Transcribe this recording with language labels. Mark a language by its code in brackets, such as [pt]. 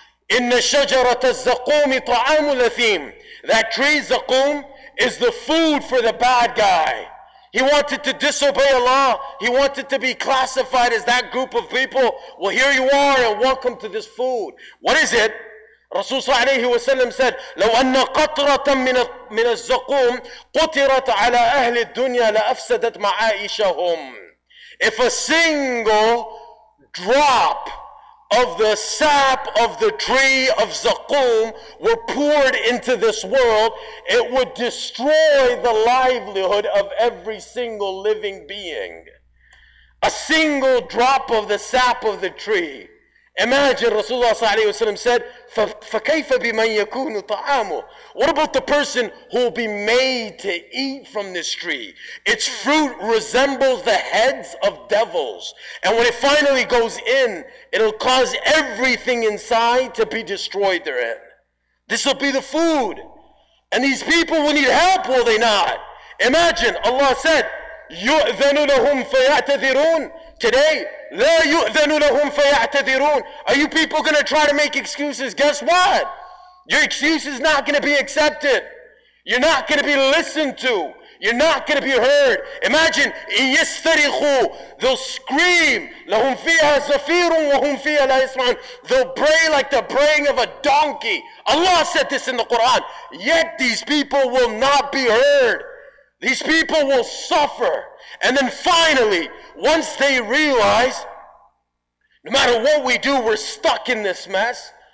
[ar] Inna shajarata zaqumi ta'amul athim. [en] That tree, zaqum, is the food for the bad guy. He wanted to disobey Allah. He wanted to be classified as that group of people. Well, here you are and welcome to this food. What is it? Rasul sallallahu alayhi wa sallam said, [ar] لو أن قطرة من الزقوم قطرت على أهل الدنيا لأفسدت معائشهم. [en] If a single drop of the sap of the tree of zaqum were poured into this world, it would destroy the livelihood of every single living being. A single drop of the sap of the tree. Imagine Rasulullah sallallahu alayhi wa sallam said, [ar] فَكَيْفَ بِمَنْ يَكُونُ طَعَامُ. [en] What about the person who will be made to eat from this tree? Its fruit resembles the heads of devils. And when it finally goes in, it'll cause everything inside to be destroyed therein. This will be the food. And these people will need help, will they not? Imagine, Allah said, [ar] يُؤْذَنُ لَهُمْ فَيَعْتَذِرُونَ. [en] Today, [ar] لَا يُؤْذَنُ لَهُمْ فَيَعْتَذِرُونَ. [en] Are you people going to try to make excuses? Guess what? Your excuse is not going to be accepted. You're not going to be listened to. You're not going to be heard. Imagine, [ar] إِنْ يَسْتَرِخُوا. [en] They'll scream, [ar] لَهُمْ فِيهَا زَفِيرٌ وَهُمْ فِيهَا لَا يَسْمَعُونَ. [en] They'll bray like the braying of a donkey. Allah said this in the Quran. Yet these people will not be heard. These people will suffer. And then finally, once they realize, no matter what we do, we're stuck in this mess.